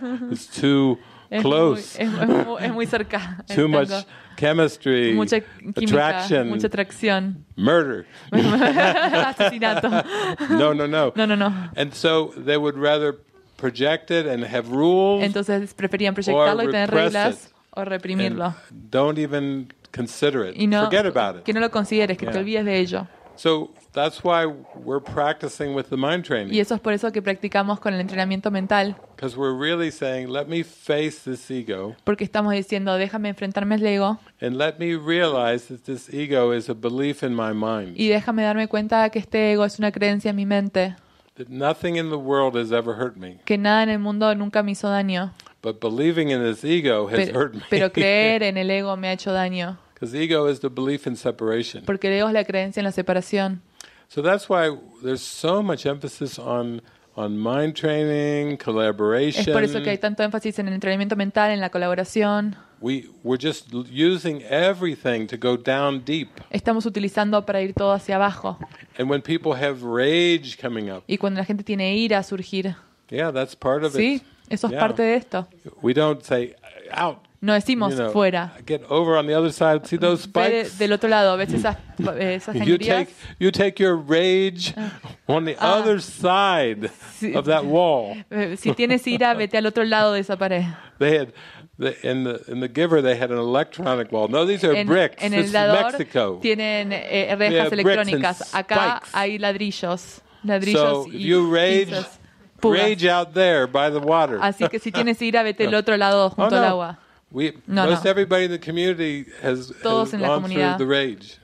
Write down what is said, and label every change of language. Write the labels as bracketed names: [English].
[English] It's too close. [Spanish] Es muy cerca. [English] Too much chemistry. [Spanish] Mucha química, [English] attraction. [Spanish] Mucha atracción. [English] Murder. [Spanish] Asesinato. [English] No. And so they would rather project it and have rules. [Spanish] Entonces preferían proyectarlo y tener reglas o reprimirlo. [English] Don't even consider it. Forget about it. [Spanish] Que no lo consideres, que te olvides de ello. [English] So that's why we're practicing with the mind training. [Spanish] Y eso es por eso que practicamos con el entrenamiento mental. [English] Because we're really saying, let me face this ego. [Spanish] Porque estamos diciendo, déjame enfrentarme al ego. [English] And let me realize that this ego is a belief in my mind. [Spanish] Y déjame darme cuenta que este ego es una creencia en mi mente. [English] That nothing in the world has ever hurt me. [Spanish] Que nada en el mundo nunca me hizo daño. [English] But believing in this ego has hurt me. [Spanish] Pero creer en el ego me ha hecho daño. [English] Because ego is the belief in separation. [Spanish] Porque el ego es la creencia en la separación. [English] So that's why there's so much emphasis on mind training, collaboration. [Spanish] Es por eso que hay tanto énfasis en el entrenamiento mental, en la colaboración. [English] We're just using everything to go down deep. [Spanish] Estamos utilizando para ir todo hacia abajo. [English] And when people have rage coming up. [Spanish] Y cuando la gente tiene ira surgir. [English] Yeah, that's part of it. [Spanish] Sí, eso es parte de esto. [English] We don't say out. [Spanish] No decimos fuera. [English] Get over on the other side. See those spikes? [Spanish] Del otro lado, ¿ves esas sangrías? [English] You take your rage on the other side of that wall. [Spanish] Si tienes ira, vete al otro lado de esa pared. [English] In the giver they had an electronic wall. No, these are bricks. [Spanish] En el dador [English] Mexico. [Spanish] Tienen rejas electrónicas. Acá hay ladrillos [English] so you rage [Spanish] pinzas. [English] Rage out there by the water. [Spanish] Así que si tienes ira, vete al otro lado junto al agua. [English] Everybody in the community has gone through the rage.